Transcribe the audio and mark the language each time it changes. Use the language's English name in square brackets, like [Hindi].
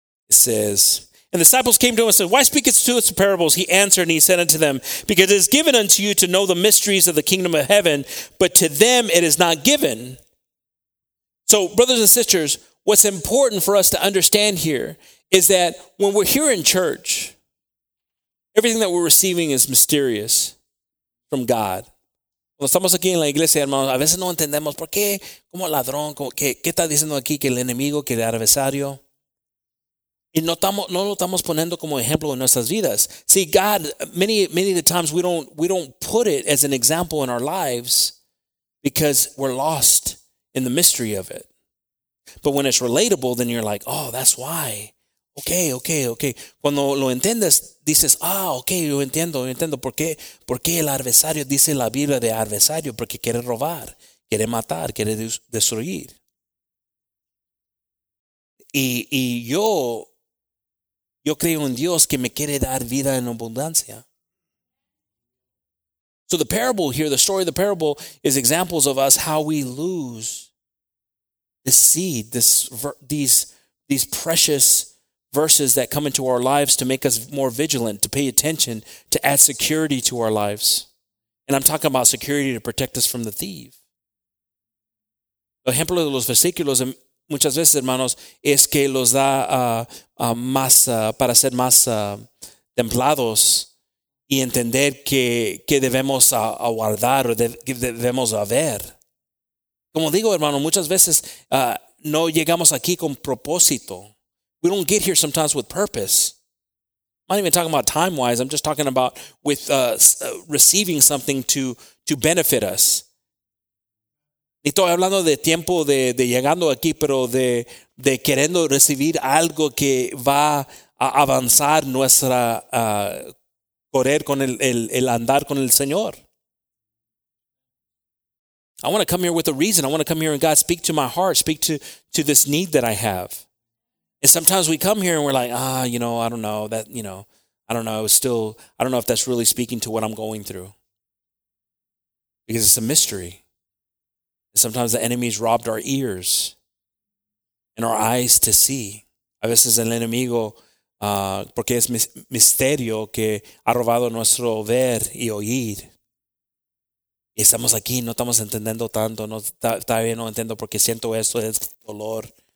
[English] It says, and the disciples came to him and said, why speakest to us the parables? He answered and he said unto them, because it is given unto you to know the mysteries of the kingdom of heaven, but to them it is not given. So, brothers and sisters, what's important for us to understand here is that when we're here in church, everything that we're receiving is mysterious from God. [Spanish] Cuando estamos aquí en la iglesia, hermanos, a veces no entendemos por qué, como ladrón, qué está diciendo aquí, que el enemigo, que el adversario. Y no lo estamos poniendo como ejemplo en nuestras vidas. [English] See, God, many of the times we don't put it as an example in our lives because we're lost in the mystery of it. But when it's relatable, then you're like, oh, that's why. [Spanish] Okay. Cuando lo entiendes, dices, okay, yo entiendo. ¿Por qué el adversario dice la Biblia de adversario? Porque quiere robar, quiere matar, quiere destruir. Yo creo en Dios que me quiere dar vida en abundancia. [English] So the parable here, the story of the parable, is examples of us how we lose this seed, these precious verses that come into our lives to make us more vigilant, to pay attention, to add security to our lives. And I'm talking about security to protect us from the thief. [Spanish] Ejemplo de los versículos, muchas veces, hermanos, es que los da más para ser más templados y entender que debemos a guardar o debemos a ver. Como digo, hermano, muchas veces no llegamos aquí con propósito. [English] We don't get here sometimes with purpose. I'm not even talking about time-wise. I'm just talking about with receiving something to benefit us. [Spanish] Y estoy hablando de tiempo de llegando aquí, pero de queriendo recibir algo que va a avanzar nuestra correr con el andar con el Señor. [English] I want to come here with a reason. I want to come here and God speak to my heart, speak to this need that I have. And sometimes we come here and we're like, I don't know if that's really speaking to what I'm going through. Because it's a mystery. Sometimes the enemy's robbed our ears and our eyes to see. [Spanish] A veces el enemigo, porque es misterio que ha robado nuestro ver y oír. Y estamos aquí, no estamos entendiendo tanto, no entiendo porque siento esto, es dolor.